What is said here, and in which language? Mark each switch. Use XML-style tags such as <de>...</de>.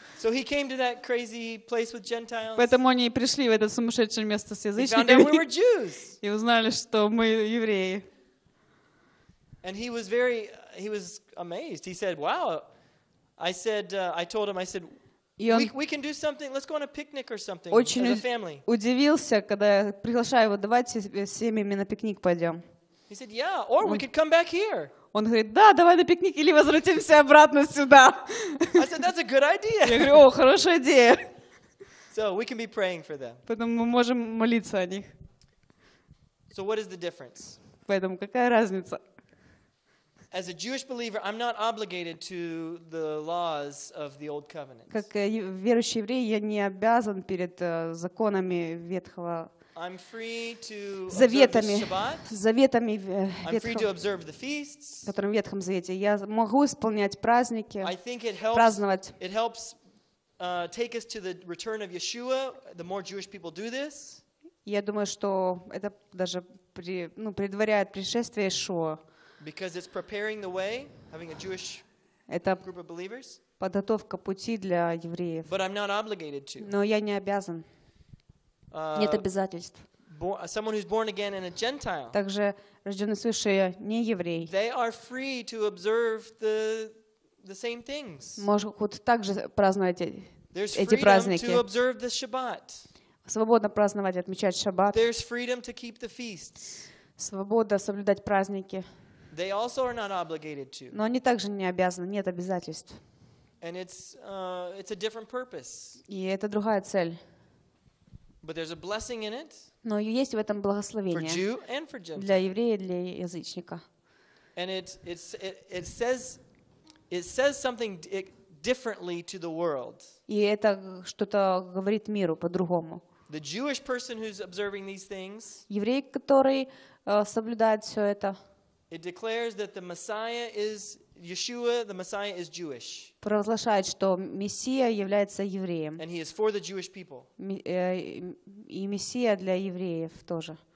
<en>So he came to that crazy place with Gentiles.</en> <ru>Поэтому они пришли в это сумасшедшее место с язычниками.</ru> <en>We were Jews.</en> <ru>И узнали, что мы евреи.</ru> <en>And he was very, he was amazed. He said, wow. I said, I told him, I said, we can do something. Let's go on a picnic or something as a family.</en> <ru>Очень удивился, когда я приглашаю его, давайте семьями на пикник пойдем.</ru> <en>He said, yeah, or we could come back here.</en> <ru>Он говорит, да, давай на пикник или возвратимся обратно сюда.</ru> <en>I said, that's a good idea.</en> <ru>Я говорю, о, хорошая идея.</ru> <en>So we can be praying for them.</en> <ru>Поэтому мы можем молиться о них.</ru> <en>So what is the difference?</en> <ru>Поэтому какая разница?</ru> <en>As a Jewish believer, I'm not obligated to the laws of the Old Covenant.</en> <ru>Как верующий еврей, я не обязан перед законами Ветхого Завета.</ru> <en>I'm free to observe the Shabbat.</en> <ru>Заветами Ветхого.</ru> <en>I'm free to observe the feasts.</en> <ru>Которым в Ветхом Завете я могу исполнять праздники,</ru> <en>I think it helps,</en> <ru>праздновать.</ru> <en>It helps take us to the return of Yeshua. The more Jewish people do this,</en> <ru>я думаю, что это даже предваряет пришествие Иешуа.</ru> <en>Because it's preparing the way, having a Jewish group of believers.</en> <ru>Подготовка пути для евреев.</ru> <en>But I'm not obligated to.</en> <ru>Но я не обязан. Нет обязательств.</ru> <en>Someone who's born again and a Gentile.</en> <ru>Также рожденный свыше не еврей.</ru> <en>They are free to observe the same things.</en> <ru>Могут также праздновать эти праздники.</ru> <en>There's freedom to observe the Shabbat.</en> <ru>Свободно праздновать и отмечать Шаббат.</ru> <en>There's freedom to keep the feasts.</en> <ru>Свобода соблюдать праздники.</ru> <en>They also are not obligated to.</en> <ru>Но они также не обязаны, нет обязательств.</ru> <en>And it's a different purpose.</en> <ru>И это другая цель.</ru> <en>But there's a blessing in it.</en> <ru>Но есть в этом благословение.</ru> <en>For Jew and for Gentile.</en> <ru>Для еврея и для язычника.</ru> <en>And it says something differently to the world.</en> <ru>И это что-то говорит миру по-другому.</ru> <en>The Jewish person who's observing these things.</en> <ru>Еврей, который соблюдает все это.</ru> <en>It declares that the Messiah is Yeshua, the Messiah is Jewish.</en> <ru>Провозглашает, что Мессия является евреем.</ru> <en>And he is for the Jewish people.</en> <ru>И Мессия для евреев тоже.</ru>